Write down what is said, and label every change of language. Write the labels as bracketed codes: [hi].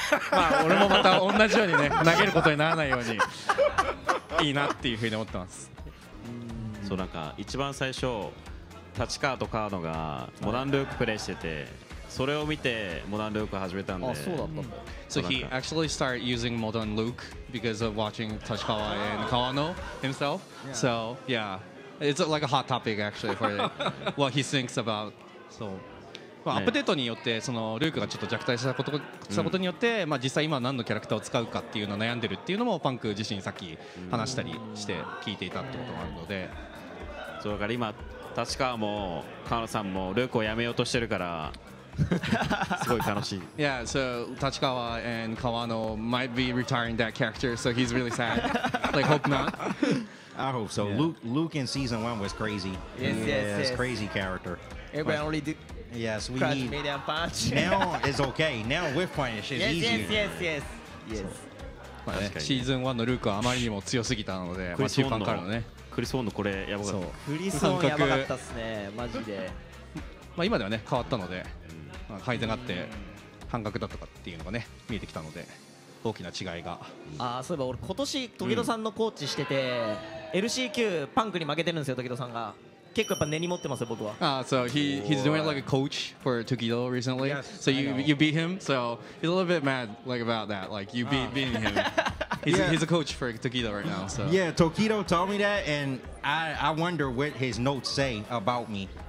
[ja] まあ俺もまた同じようにね、投げることにならないようにいいなっていうふうに思ってます。そう、なんか一番最初立川とカードがモダンルークプレイしてて、それを見てモダンルーク始めたんで。あ、そうだった。 [en] So he actually started using modern Luke because of watching Tachikawa and Kawano himself. So yeah, it's like a hot topic actually for what he thinks about. [ja] So まあ、アップデートによってそのルークがちょっと弱体したことによって、まあ実際今何のキャラクターを使うかっていうのを悩んでるっていうのもパンク自身さっき話したりして聞いていたってこともあるので。そうだから今立川も川野さんもルークをやめようとしてるからすごい楽しい。 [en] Yeah, so 立川 and 川野 might be retiring that character, so he's really sad. Like, hope not. I hope so. Luke in season 1 was crazy. Yes, yes, yes. Yes, crazy character. Everybody only do Yes, we crush need. Media punch. Now it's okay. Now with punish is yes, easier. Yes, yes, yes, yes. [ja] まあね、シーズン1のルークはあまりにも強すぎたので、クリスボンのね。クリスボンのこれやばかった。クリスボンやばかったっすね、マジで。まあ今ではね変わったので、まあ、改善があって半額だったかっていうのがね見えてきたので、大きな違いが。ああ、そういえば俺今年時戸さんのコーチしてて、LCQ パンクに負けてるんですよ、時戸さんが。結構やっぱ根に持ってますよ僕は。 [en] Ah, so he's doing like a coach for Tokido recently. Yes, so you beat him. So he's a little bit mad like about that. Like you beating him. He's, yeah. He's a coach for Tokido right now. So yeah, Tokido told me that, and I wonder what his notes say about me.